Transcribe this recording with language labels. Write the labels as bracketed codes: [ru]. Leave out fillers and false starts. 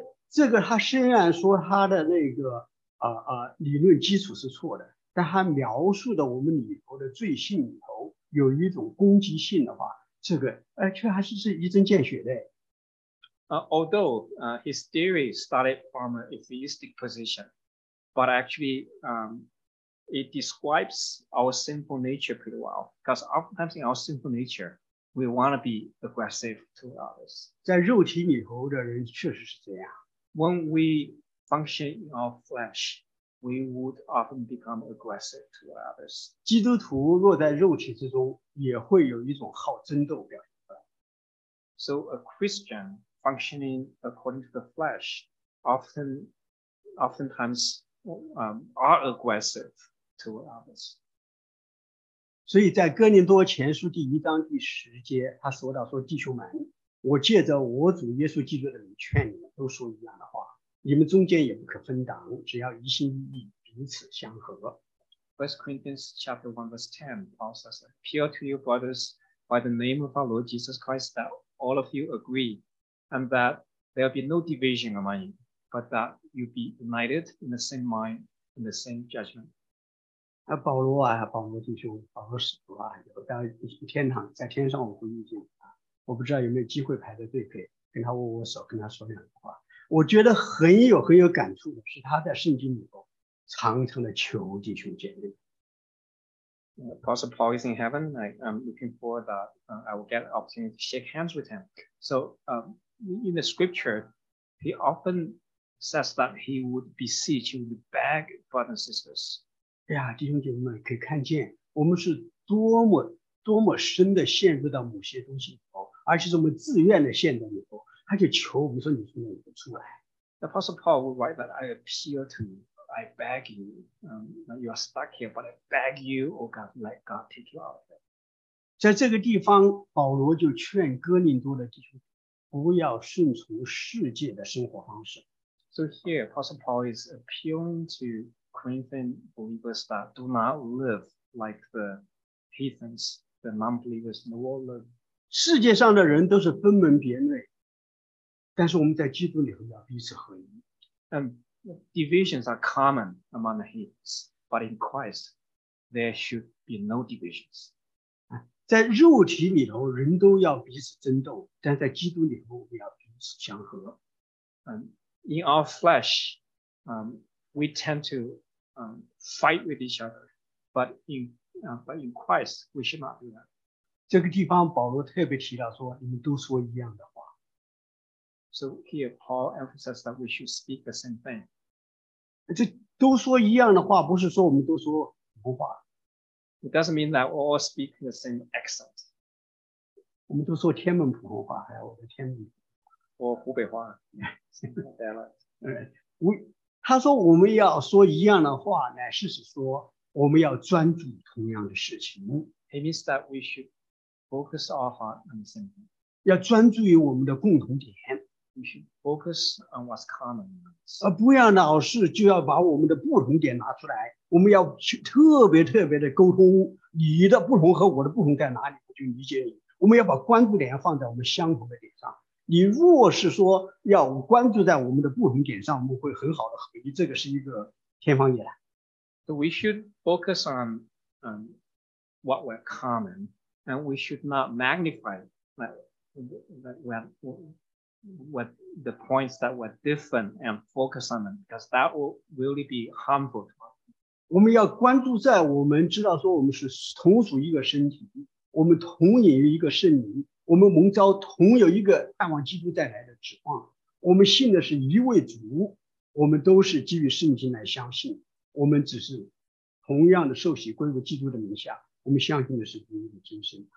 [zh] 这个他虽然说他的那个理论基础是错的，但他描述的我们里头的罪性里头有一种攻击性的话，这个却还是一针见血的。 [en] Although his theory started from an atheistic position,But actually, it describes our sinful nature pretty well. Because oftentimes in our sinful nature, we want to be aggressive to others. [zh] 在肉体里头的人确实是这样。 [en] When we function in our flesh, we would often become aggressive to others. [zh] 基督徒若在肉体之中，也会有一种好争斗表现出来。 [en] So a Christian functioning according to the flesh, oftentimes,are aggressive to others. [zh] 所以在哥林多前书第一章第十节，他说到说，弟兄们，我借着我主耶稣基督的名劝你们，都说一样的话，你们中间也不可分党，只要一心一意彼此相合。 [en] 1 Corinthians chapter 1 verse 10 Paul says, appeal to you brothers by the name of our Lord Jesus Christ that all of you agree and that there be no division among you but that you be united in the same mind, in the same judgment. [zh] 保罗啊，保罗弟兄，保罗使徒啊，以后到天堂，在天上我会遇见他，我不知道有没有机会排在队可以跟他握握手，跟他说两句话。我觉得很有感触的是他在圣经里头常常的求弟兄姐妹。 [en] Apostle Paul is in heaven, I'm looking forward that I will get an opportunity to shake hands with him. So in the scripture, he often says that he would beseech, he would beg brothers and sisters. [zh] 哎呀，弟兄姐妹们，可以看见我们是多么多么深的陷入到某些东西里头，而且是我们自愿的陷在里头，他就求我们说：“你从那里不出来。” [en] The Apostle Paul would write that, "I appeal to you, I beg you. You are stuck here, but I beg you, oh God, let God take you out of it." [zh] 在这个地方，保罗就劝哥林多的弟兄不要顺从世界的生活方式。 [en] So here, Apostle Paul is appealing to Corinthian believers that do not live like the heathens, the non-believers in the world live. [zh] 世界上的人都是分门别类，但是我们在基督里头要彼此合一。 [en] Divisions are common among the heathens, but in Christ, there should be no divisions. [zh] 在肉体里头，人都要彼此争斗，但在基督里头，我们要彼此相合。 [en] In our flesh, we tend to fight with each other, but in Christ, we should not do that. [zh] 这个地方保罗特别提到说，你们都说一样的话。 [en] So here, Paul emphasizes that we should speak the same thing. [zh] 这都说一样的话，不是说我们都说胡话。 [en] It doesn't mean that we all speak the same accent. [zh] 我们都说天门普通话，还有我的天门。或湖北话。 [en] We, [zh] 他说我们要说一样的话，乃是指说我们要专注同样的事情。 [en] It means that we should focus our heart on the same thing. [zh] 要专注于我们的共同点。 [en] We should focus on what's common. [zh] 不要老是就要把我们的不同点拿出来，我们要去特别特别的沟通你的不同和我的不同在哪里，我就理解你。我们要把关注点放在我们相同的点上。你若是说要关注在我们的不同点上，我们会很好的合一，这个是一个天方夜谭。 [en] So we should focus on what we're common, and we should not magnify what the points that were different and focus on them, because that will really be harmful to us. [zh] 我们要关注在我们知道说我们是同属一个身体，我们同饮一个圣灵，我们蒙召同有一个盼望基督再来的指望，我们信的是一位主，我们都是基于圣经来相信，我们只是同样的受洗归入基督的名下，我们相信的是独一的真神。